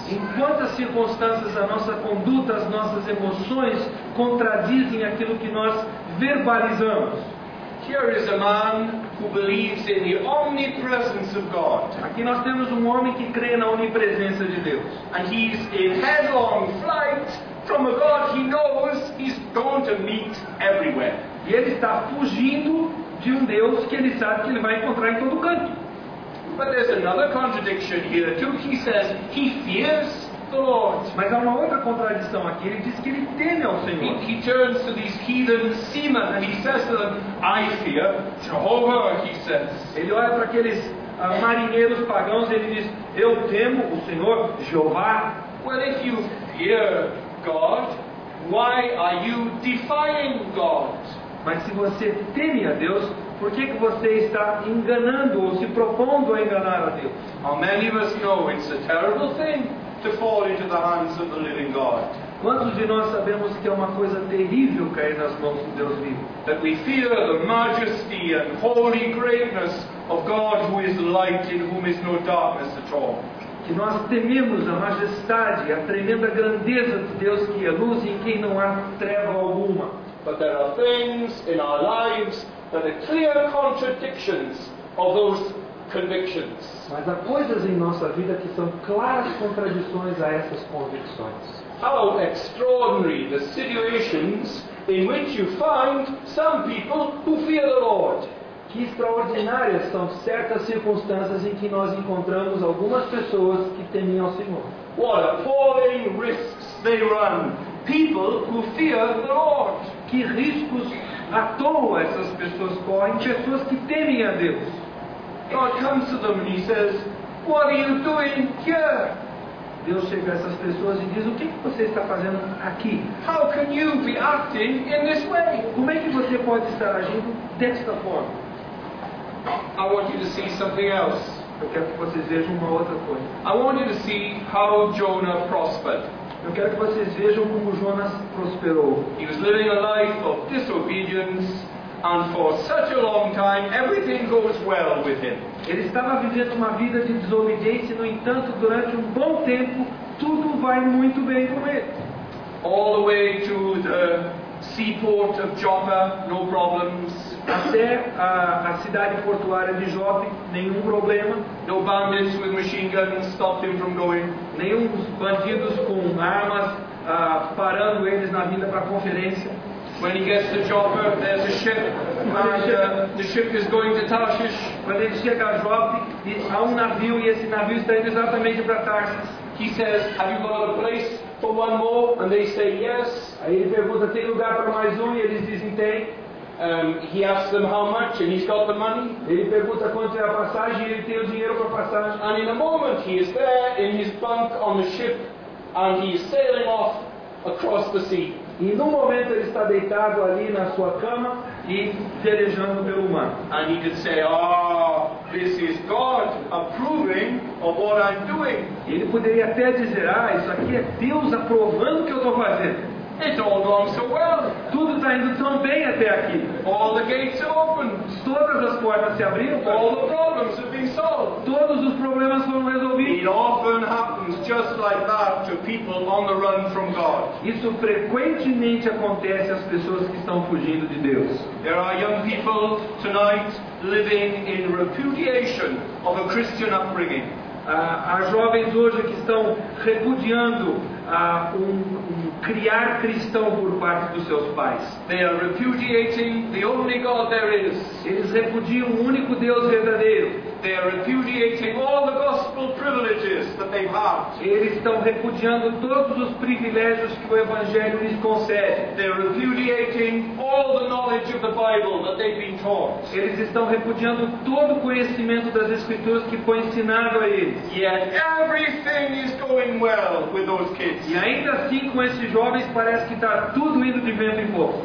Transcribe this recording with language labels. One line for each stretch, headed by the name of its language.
Portuguese: Em quantas circunstâncias a nossa conduta, as nossas emoções contradizem aquilo que nós verbalizamos?
English: Here is a man who believes in the omnipresence of God.
Portuguese: Aqui nós temos um homem que crê na onipresença de Deus.
English: And he's in headlong flight from a God he knows he's going to meet everywhere.
Portuguese: E ele está fugindo de um Deus que ele sabe que ele vai encontrar em todo canto.
English: But there's another contradiction here too. He says he fears the Lord.
Portuguese: Mas há uma outra contradição aqui. Ele diz que ele teme ao Senhor.
English: He turns to these heathen seamen and he says to them, I fear Jehovah, he says.
Portuguese: Ele olha para aqueles marinheiros pagãos, ele diz: eu temo o Senhor Jeová.
English: Well, if you fear God, why are you defying God?
Portuguese: Mas se você teme a Deus, por que que você está enganando ou se propondo a enganar a Deus?
English: How many of us know it's a terrible thing to fall into the hands of the living God?
Portuguese: Quantos de nós sabemos que é uma coisa terrível cair nas mãos do Deus vivo?
English: That we fear the majesty and holy greatness of God, who is light, in whom is no darkness at all.
Portuguese: Que nós tememos a majestade, a tremenda grandeza de Deus, que é luz e em quem não há treva alguma.
English: But there are things in our lives that are clear contradictions of those convictions.
Portuguese: Mas há coisas em nossa vida que são claras contradições a essas convicções.
English: How extraordinary the situations in which you find some people who fear the Lord.
Portuguese: Que extraordinárias são certas circunstâncias em que nós encontramos algumas pessoas que temem ao Senhor.
English: What appalling risks they run. People who fear the Lord.
Portuguese: Que riscos à toa essas pessoas correm, pessoas que temem a Deus.
English: God comes to them and he says, what are you doing here?
Portuguese: Deus chega a essas pessoas e diz: o que você está fazendo aqui?
English: How can you be acting in this way?
Portuguese: Como é que você pode estar agindo desta forma?
English: I want you to see something else.
Portuguese: Eu quero que vocês vejam uma outra coisa.
English: I want you to see how Jonah prospered.
Portuguese: Eu quero que vocês vejam como Jonas prosperou.
English: He was living a life of disobedience, and for such a long time, everything goes well with him.
Portuguese: Ele estava vivendo uma vida de desobediência, no entanto, durante um bom tempo, tudo vai muito bem com ele.
English: All the way to the seaport of Joppa, no problems.
Portuguese: Até a cidade portuária de Joppa, nenhum problema.
English: No bandits with machine guns stopped him from going.
Portuguese: Nenhum bandidos com armas parando eles na vinda para a conferência.
English: When he gets to Joppa, there's a ship, and the ship is going to Tarshish.
Portuguese: Quando ele chega a Joppa, há um navio e esse navio está indo exatamente para Tarshish.
English: He says, have you got a place for one more? And they say yes.
Portuguese: Aí ele pergunta, tem lugar para mais e eles dizem tem.
English: He asks them how much, and he's got the money.
Portuguese: Ele pergunta quanto é a passagem e ele tem o dinheiro para a passagem.
English: And in a moment he is there in his bunk on the ship, and he is sailing off across the sea.
Portuguese: E num momento ele está deitado ali na sua cama e pelejando pelo mar.
English: And he could say, ah, this is God approving of what I'm doing.
Portuguese: Ele poderia até dizer, ah, isso aqui é Deus aprovando o que eu estou fazendo.
English: It's all gone so well.
Portuguese: Tudo está indo tão bem até aqui.
English: All the gates are open.
Portuguese: Todas as portas se abriram.
English: All the problems have been solved.
Portuguese: Todos os problemas foram resolvidos.
English: It often happens just like that to people on the run from God.
Portuguese: Isso frequentemente acontece às pessoas que estão fugindo de Deus.
English: There are young people tonight living in repudiation of a Christian upbringing.
Portuguese: Há jovens hoje que estão repudiando um criar cristão por parte dos seus pais.
English: They are repudiating the only God there is.
Portuguese: Eles repudiam o único Deus verdadeiro.
English: They are repudiating all the gospel privileges that they have.
Portuguese: Eles estão repudiando todos os privilégios que o Evangelho lhes concede.
English: They are repudiating all the knowledge of the Bible that they've been taught.
Portuguese: Eles estão repudiando todo o conhecimento das Escrituras que foi ensinado a eles.
English: Yet everything is going well with those kids.
Portuguese: E ainda assim com esses jovens parece que está tudo indo de vento em popa.